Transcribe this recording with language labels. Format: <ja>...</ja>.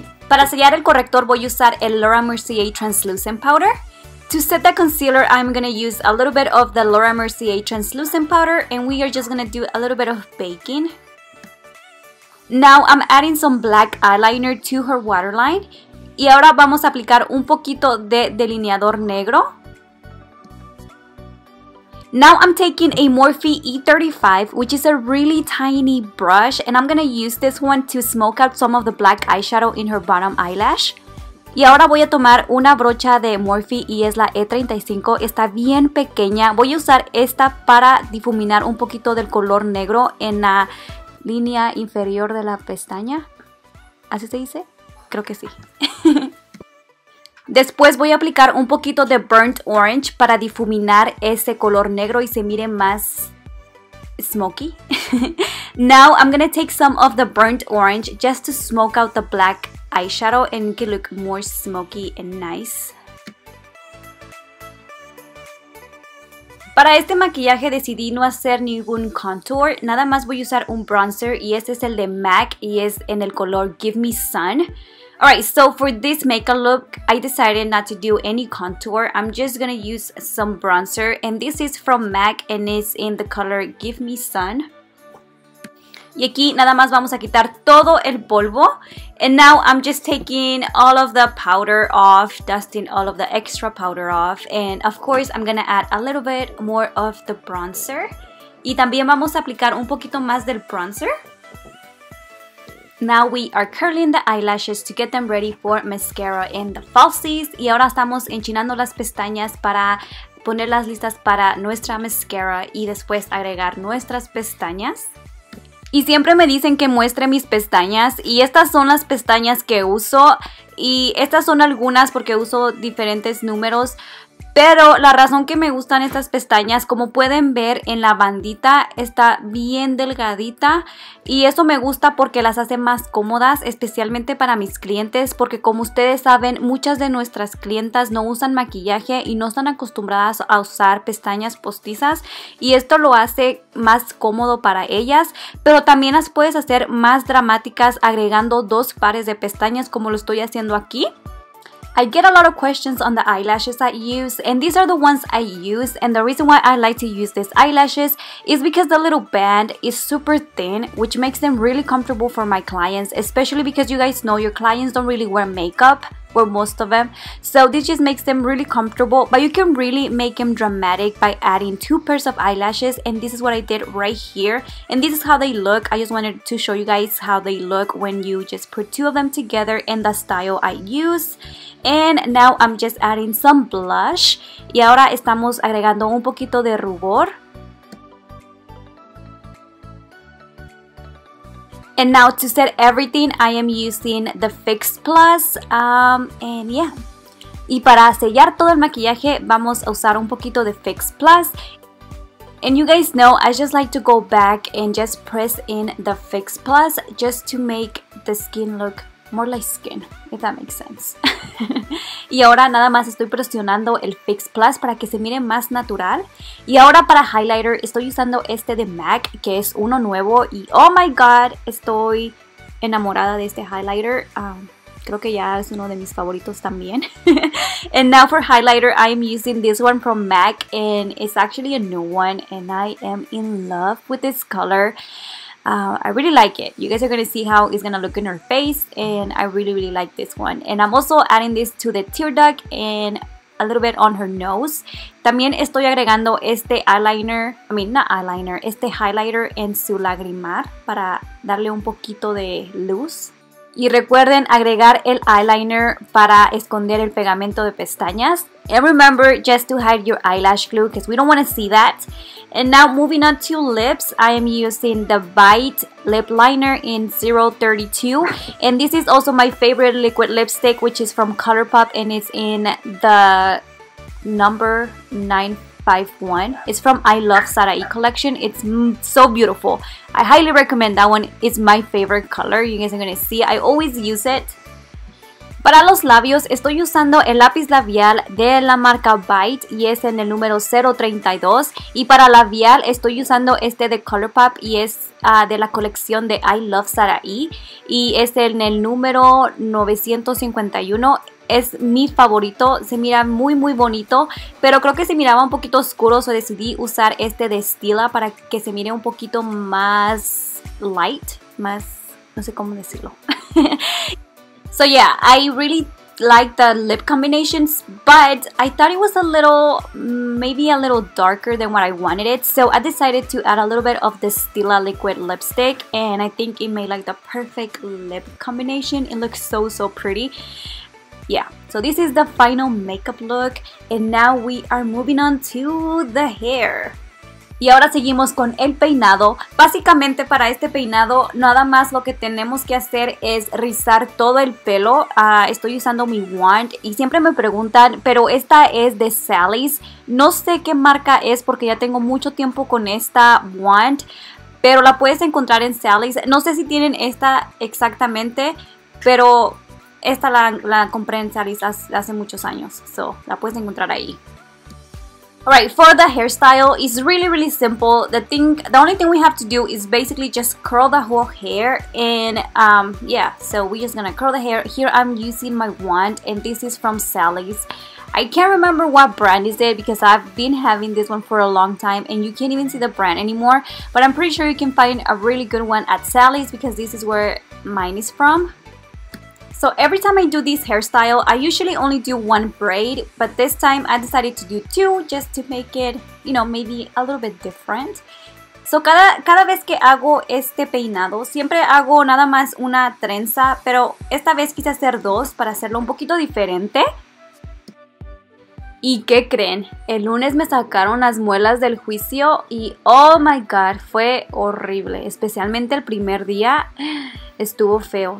<es>Para sellar el corrector, voy a usar el Laura Mercier Translucent Powder.</es> <en>To set the concealer, I'm gonna use a little bit of the Laura Mercier Translucent Powder, and we are just gonna do a little bit of baking. Now I'm adding some black eyeliner to her waterline.</en> <es>Y ahora vamos a aplicar un poquito de delineador negro.</es> <en>Now I'm taking a Morphe E35, which is a really tiny brush, and I'm gonna use this one to smoke out some of the black eyeshadow in her bottom eyelash.</en> <es>Y ahora voy a tomar una brocha de Morphe y es la E35, está bien pequeña. Voy a usar esta para difuminar un poquito del color negro en la línea inferior de la pestaña. ¿Así se dice? Creo que sí. Después voy a aplicar un poquito de Burnt Orange para difuminar ese color negro y se mire más smoky.</es> <en>Now I'm gonna take some of the Burnt Orange just to smoke out the black eyeshadow and make it look more smoky and nice.</en> <es>Para este maquillaje decidí no hacer ningún contour, nada más voy a usar un bronzer y este es el de MAC y es en el color Give Me Sun.</es> <en>Alright, so for this makeup look, I decided not to do any contour. I'm just gonna use some bronzer, and this is from MAC and it's in the color Give Me Sun.</en> <es>Y aquí nada más vamos a quitar todo el polvo.</es> <en>And now I'm just taking all of the powder off, dusting all of the extra powder off. And of course, I'm gonna add a little bit more of the bronzer.</en> <es>Y también vamos a aplicar un poquito más del bronzer.</es> <en>Now we are curling the eyelashes to get them ready for mascara and the falsies.</en> <es>Y ahora estamos enchinando las pestañas para ponerlas listas para nuestra mascara y después agregar nuestras pestañas. Y siempre me dicen que muestre mis pestañas y estas son las pestañas que uso y estas son algunas porque uso diferentes números. Pero la razón que me gustan estas pestañas, como pueden ver en la bandita, está bien delgadita. Y eso me gusta porque las hace más cómodas, especialmente para mis clientes. Porque como ustedes saben, muchas de nuestras clientas no usan maquillaje y no están acostumbradas a usar pestañas postizas. Y esto lo hace más cómodo para ellas. Pero también las puedes hacer más dramáticas agregando dos pares de pestañas como lo estoy haciendo aquí.</es> <en>I get a lot of questions on the eyelashes I use, and these are the ones I use, and the reason why I like to use these eyelashes is because the little band is super thin, which makes them really comfortable for my clients, especially because you guys know your clients don't really wear makeup, or most of them, so this just makes them really comfortable, but you can really make them dramatic by adding two pairs of eyelashes, and this is what I did right here, and this is how they look. I just wanted to show you guys how they look when you just put two of them together in the style I use. And now I'm just adding some blush.</en> <es>Y ahora estamos agregando un poquito de rubor.</es> <en>And now to set everything, I am using the Fix Plus. And yeah.</en> <es>Y para sellar todo el maquillaje, vamos a usar un poquito de Fix Plus.</es> <en>And you guys know, I just like to go back and just press in the Fix Plus just to make the skin look more like skin, if that makes sense.</en> <es>Y ahora nada más estoy presionando el Fix Plus para que se mire más natural. Y ahora para highlighter estoy usando este de MAC, que es uno nuevo. Y</es> <en>oh my god,</en> <es>estoy enamorada de este highlighter. Creo que ya es uno de mis favoritos también.</es> <en>And now for highlighter, I am using this one from MAC. And it's actually a new one. And I am in love with this color. I really like it. You guys are gonna see how it's gonna look in her face, and I really, really like this one. And I'm also adding this to the tear duct and a little bit on her nose. También estoy agregando este eyeliner, I mean, not eyeliner, este highlighter en su lagrimar para darle un poquito de luz. Y recuerden agregar el eyeliner para esconder el pegamento de pestañas. And remember just to hide your eyelash glue because we don't want to see that. And now moving on to lips, I am using the Bite Lip Liner in 032. And this is also my favorite liquid lipstick, which is from ColourPop. And it's in the number 551. It's from I Love Sarai collection. It's so beautiful. I highly recommend that one. It's my favorite color. You guys are gonna see. I always use it.</en> <es>Para los labios, estoy usando el lápiz labial de la marca Bite y es en el número 032. Y para labial, estoy usando este de ColourPop y es de la colección de I Love Sarai. Y es en el número 951. Es mi favorito, se mira muy muy bonito, pero creo que se miraba un poquito oscuro, so decidí usar este de Stila para que se mire un poquito más light, más, no sé cómo decirlo.</es> <en>So yeah, I really like the lip combinations, but I thought it was a little, maybe a little darker than what I wanted it. So I decided to add a little bit of the Stila liquid lipstick, and I think it made like the perfect lip combination. It looks so so pretty. Yeah, so this is the final makeup look, and now we are moving on to the hair.</en> <es>Y ahora seguimos con el peinado. Básicamente para este peinado, nada más lo que tenemos que hacer es rizar todo el pelo. Estoy usando mi wand y siempre me preguntan, pero esta es de Sally's. No sé qué marca es porque ya tengo mucho tiempo con esta wand, pero la puedes encontrar en Sally's. No sé si tienen esta exactamente, pero esta la compré en Sally's hace muchos años, so la puedes encontrar ahí.</es> <en>Alright, for the hairstyle, it's really really simple. The only thing we have to do is basically just curl the whole hair, and yeah, so we're just gonna curl the hair. Here I'm using my wand, and this is from Sally's. I can't remember what brand is it because I've been having this one for a long time and you can't even see the brand anymore, but I'm pretty sure you can find a really good one at Sally's because this is where mine is from. So every time I do this hairstyle, I usually only do one braid, but this time I decided to do two just to make it, you know, maybe a little bit different.</en> <es>So cada vez que hago este peinado, siempre hago nada más una trenza, pero esta vez quise hacer dos para hacerlo un poquito diferente. ¿Y qué creen? El lunes me sacaron las muelas del juicio y</es> <en>oh my god,</en> <es>fue horrible, especialmente el primer día. Estuvo feo.</es>